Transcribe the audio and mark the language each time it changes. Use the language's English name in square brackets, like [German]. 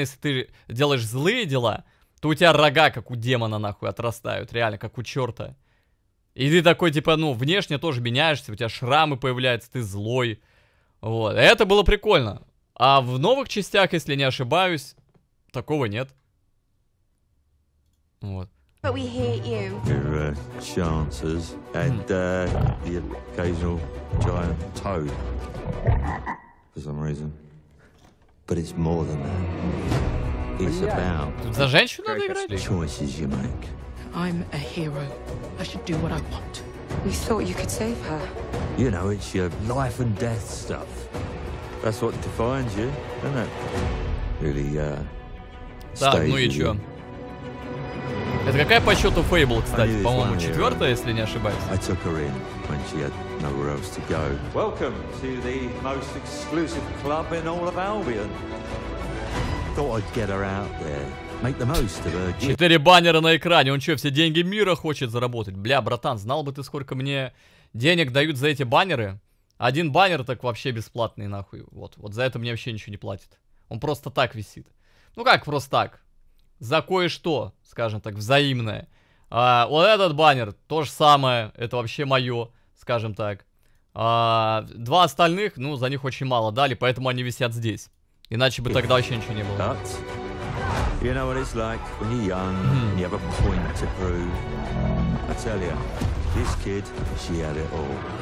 [Russian] Если ты делаешь злые дела, то у тебя рога как у демона нахуй отрастают, реально, как у черта. И ты такой типа, ну, внешне тоже меняешься, у тебя шрамы появляются, ты злой. Вот, это было прикольно. А в новых частях, если не ошибаюсь, такого нет. Вот. [English] But we hate you. Your chances and the occasional giant toad for some reason. But it's more than that. It's about [Russian] за женщину надо играть. [English] Choices you make. I'm a hero. I should do what I want. We thought you could save her. You know, it's your life and death stuff. That's what defines you, isn't it? Really, [Russian] Так, ну и чё? Это какая по счету Fable, кстати? По-моему, четвертая, если не ошибаюсь. [English] I took her in when she had nowhere else to go. Welcome to the most exclusive club in all of Albion. Thought I'd get her out there. Make the most of her. [Russian] Четыре баннера на экране. Он что, все деньги мира хочет заработать? Бля, братан, знал бы ты, сколько мне денег дают за эти баннеры. Один баннер так вообще бесплатный, нахуй. Вот, вот за это мне вообще ничего не платят. Он просто так висит. Ну как просто так? За кое-что, скажем так, взаимное. А, вот этот баннер, то же самое, это вообще мое, скажем так. А, два остальных, ну, за них очень мало дали, поэтому они висят здесь. Иначе бы тогда вообще ничего не было. [English] You know what it's like when you're young and you have a point to prove. I tell you, this kid, she had it all.